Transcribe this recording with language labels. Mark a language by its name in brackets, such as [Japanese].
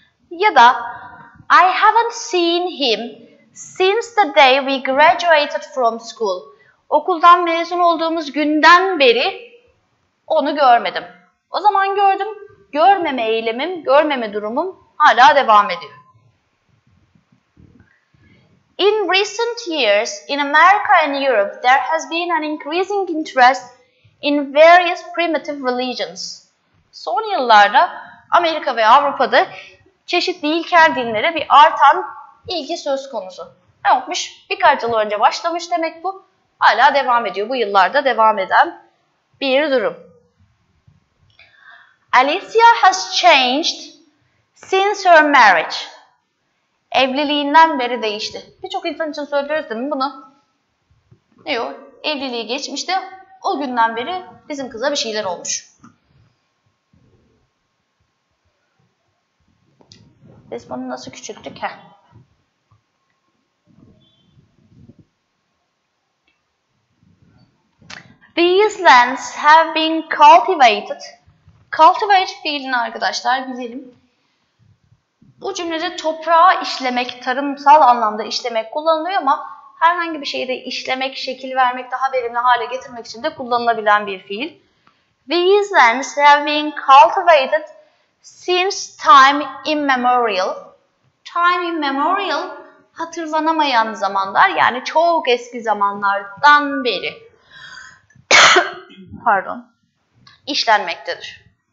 [Turkish] Ya da [English] I haven't seen him since the day we graduated from school. [Turkish] Okuldan mezun olduğumuz günden beri onu görmedim. O zaman gördüm, görmeme eylemim, görmeme durumum hala devam ediyor. [English] In recent years, in America and Europe, there has been an increasing interest in various primitive religions. [Turkish] Son yıllarda Amerika ve Avrupa'da çeşitli ilkel dinlere bir artan ilgi söz konusu. Ne yapmış? Birkaç yıl önce başlamış demek bu. Hala devam ediyor, bu yıllarda devam eden bir durum. [English] Alicia has changed since her marriage. [Turkish] Evliliğinden beri değişti. Birçok insan için söylüyoruz değil mi bunu? Yok. Evliliği geçmişti. O günden beri bizim kıza bir şeyler olmuş. Biz bunu nasıl küçülttük? Heh. [English] These lands have been cultivated. Cultivate [Turkish] fiilini arkadaşlar bilelim. Bu cümlede toprağa işlemek, tarımsal anlamda işlemek kullanılıyor ama herhangi bir şeyi de işlemek, şekil vermek, daha verimli hale getirmek için de kullanılabilen bir fiil. [English] These lands have been cultivated since time immemorial. [Turkish] Time immemorial, hatırlanamayan zamanlar, yani çok eski zamanlardan beri pardon, işlenmektedir.